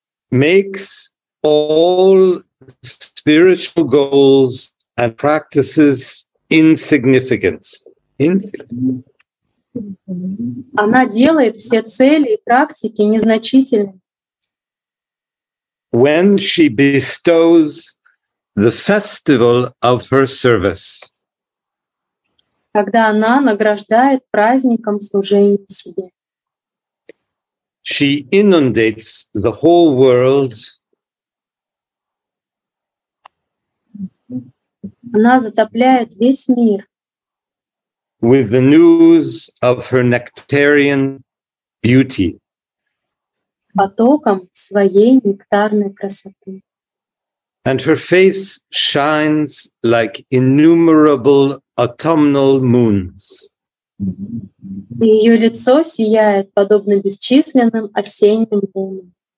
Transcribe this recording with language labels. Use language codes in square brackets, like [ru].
[en] Makes all spiritual goals and practices insignificant. [ru] Она делает все цели и практики незначительными. [en] When she bestows the festival of her service. [ru] Когда она награждает праздником служения себе. [en] She inundates the whole world. [ru] Она затопляет весь мир. [en] With the news of her nectarian beauty. [ru] Потоком своей нектарной красоты. [en] And her face shines like innumerable autumnal moons. [ru] Ее лицо сияет подобно бесчисленным осенним лунам.